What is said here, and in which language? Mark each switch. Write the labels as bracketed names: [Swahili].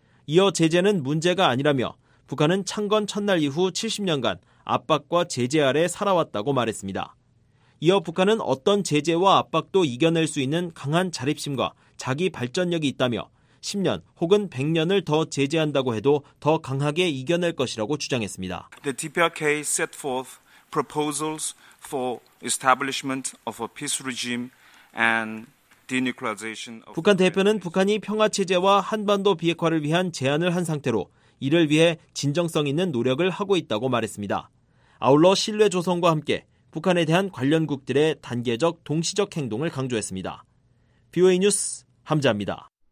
[Korean] 이어 제재는 문제가 아니라며 북한은 창건 첫날 이후 70년간 압박과 제재 아래 살아왔다고 말했습니다. 이어 북한은 어떤 제재와 압박도 이겨낼 수 있는 강한 자립심과 자기 발전력이 있다며 10년 혹은 100년을 더 제재한다고 해도 더 강하게 이겨낼 것이라고 주장했습니다. [English] The TPRK set forth proposals for establishment of a peace regime and denuclearization. [Korean] 북한 대표는 북한이 평화 체제와 한반도 비핵화를 위한 제안을 한 상태로 이를 위해 진정성 있는 노력을 하고 있다고 말했습니다. 아울러 신뢰 조성과 함께 북한에 대한 관련국들의 단계적 동시적 행동을 강조했습니다. VOA 뉴스 함자입니다.